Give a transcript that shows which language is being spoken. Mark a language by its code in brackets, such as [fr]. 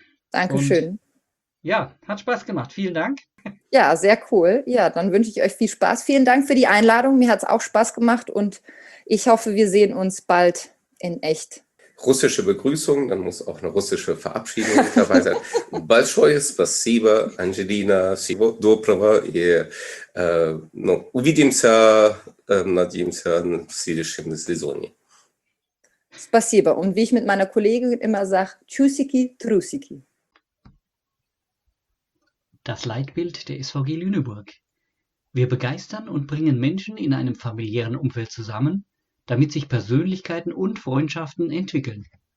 [de] Dankeschön. Und ja, hat Spaß gemacht. Vielen Dank. Ja, sehr cool. Ja, dann wünsche ich euch viel Spaß. Vielen Dank für die Einladung. Mir hat es auch Spaß gemacht und ich hoffe, wir sehen uns bald in echt. Russische Begrüßung, dann muss auch eine russische Verabschiedung mit dabei sein. [ru] Большое спасибо, Angelina, всего доброго и увидимся, надеемся, в следующем сезоне. Спасибо. [de] Und wie ich mit meiner Kollegin immer sage, Tschüssiki, Trusiki. Das Leitbild der SVG Lüneburg. Wir begeistern und bringen Menschen in einem familiären Umfeld zusammen, damit sich Persönlichkeiten und Freundschaften entwickeln.